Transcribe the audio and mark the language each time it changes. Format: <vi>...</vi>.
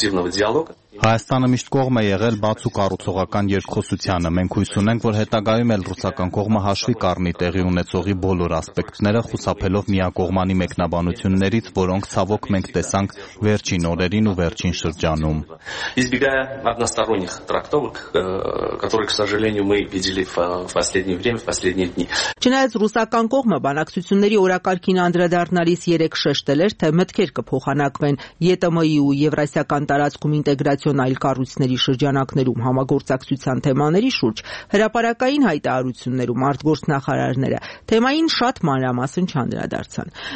<hy>Հայաստանը միշտ կողմ է եղել բաց ու կառուցողական երկխոսությանը։ Մենք հույս ունենք, որ հետագայում էլ ռուսական կողմը հաշվի կառնի տեղի ունեցողի բոլոր ասպեկտները, խուսափելով միակողմանի մեկնաբանություններից, որոնք ցավոք մենք տեսանք վերջին օրերին ու վերջին շրջանում։</hy> <ru>Избегая односторонних трактовок, которые, к сожалению, мы видели в последнее время, в последние дни.</ru> <hy>Չնայած ռուսական կողմը բանակցությունների օրակարգին անդրադառնալիս երեք շեշտել էր, թե մտքեր կփոխանակվեն ԵՏՄ-ի ու Եվրասիական տարածքում ինտեգրացիայի այլ կառույցների շրջանակներում համագործակցության թեմաների շուրջ հրապարակային հայտարարություններում արտգործնախարարները թեմային շատ մանրամասն չանդրադարձան։</hy>